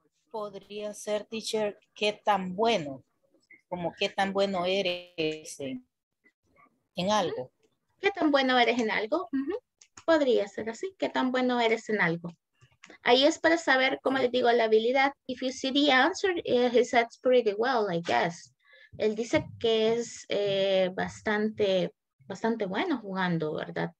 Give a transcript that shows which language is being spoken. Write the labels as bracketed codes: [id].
[es] Podría ser, teacher, qué tan bueno, como qué tan bueno eres en algo. Qué tan bueno eres en algo, podría ser así, qué tan bueno eres en algo. Ahí es para saber, como les digo, la habilidad. [en] If you see the answer, he says pretty well, I guess. [es] Él dice que es bastante bueno jugando, ¿verdad?